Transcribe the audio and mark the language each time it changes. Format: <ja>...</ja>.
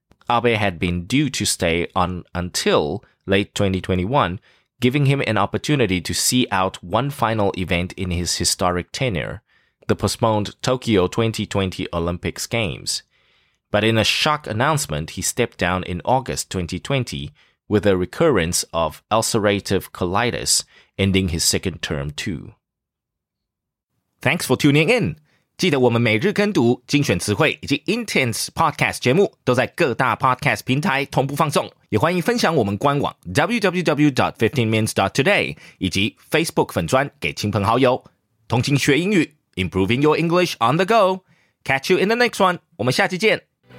<en>Abe had been due to stay on until late 2021,giving him an opportunity to see out one final event in his historic tenure, the postponed Tokyo 2020 Olympics Games. But in a shock announcement, he stepped down in August 2020 with a recurrence of ulcerative colitis, ending his second term too. Thanks for tuning in.</en> <zh>记得我们每日跟读精选词汇以及 Intense Podcast 节目都在各大 Podcast 平台同步放送。也欢迎分享我们官网 www.15minutes.today 以及 Facebook 粉专给亲朋好友。</zh> <en>同情学英语 ,improving your English on the go. Catch you in the next one.</en> <zh>我们下期见。</zh>